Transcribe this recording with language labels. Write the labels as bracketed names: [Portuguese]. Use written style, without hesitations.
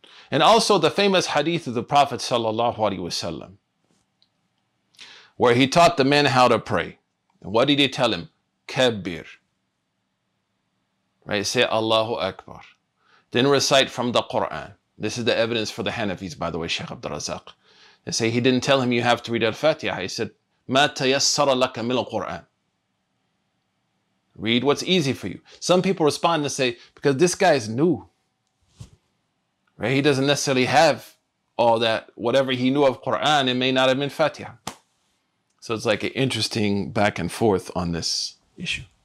[English] And also the famous hadith of the Prophet sallallahu alaihi wasallam, where he taught the man how to pray. And what did he tell him? كَبِّر. Right? Say Allahu Akbar. Then recite from the Qur'an. This is the evidence for the Hanafis, by the way, Sheikh Abdul Razak. They say he didn't tell him you have to read Al-Fatiha. He said, [Arabic] مَا تَيَسَّرَ لَكَ مِنَ الْقُرْآنِ. [English] Read what's easy for you. Some people respond and say, because this guy is new. Right? He doesn't necessarily have all that, whatever he knew of Qur'an, it may not have been Fatiha. So it's like an interesting back and forth on this issue.